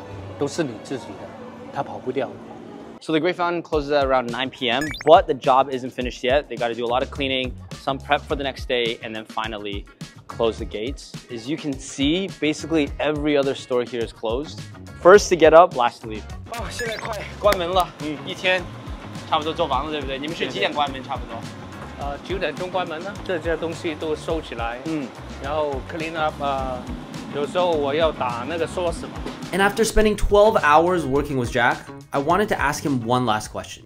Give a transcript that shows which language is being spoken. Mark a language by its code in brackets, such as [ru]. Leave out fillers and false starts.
[zh] 不一样的辛苦，对对啊，因为你要体验生活，对对对，你熟了，知道的多一点，对对对，吃的苦才，你以后才感觉到生活的充实，这是真的，你不付出，你不会得到什么，就是暂时得到也是不会长久，但是你平时工作下来，日积月累，这样下来的东西你都是你自己的，它跑不掉的。 [en] So the greatfountain closes at around 9 p.m., but the job isn't finished yet. They got to do a lot of cleaning, some prep for the next day, and then finally close the gates. As you can see, basically every other store here is closed. First to get up, last to leave. [zh] 哦，现在快关门了，一天差不多做完了，对不对？你们是几点关门？差不多，9点钟关门呢？这些东西都收起来，然后 [en] clean up [zh] 有时候我要打那个sauce嘛。 [en] And after spending 12 hours working with Jack, I wanted to ask him one last question.